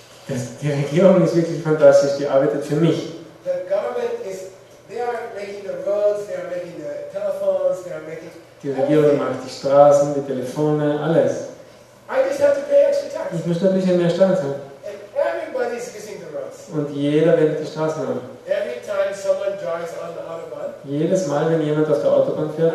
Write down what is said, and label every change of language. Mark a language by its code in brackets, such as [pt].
[de] Die Regierung ist wirklich fantastisch, die arbeitet für mich. [en] The government is, they are making the roads, they are making the telephones, they are making [de] die Regierung macht die Straßen, die Telefone, alles. [en] I just have to pay extra tax. tax. [de] Ich müsste ein bisschen mehr Steuern zahlen. [en] And everybody's using the roads. [de] Und jeder wendet die Straßen an. [en] Every time someone drives on the Autobahn, [de] jedes Mal, wenn jemand auf der Autobahn fährt,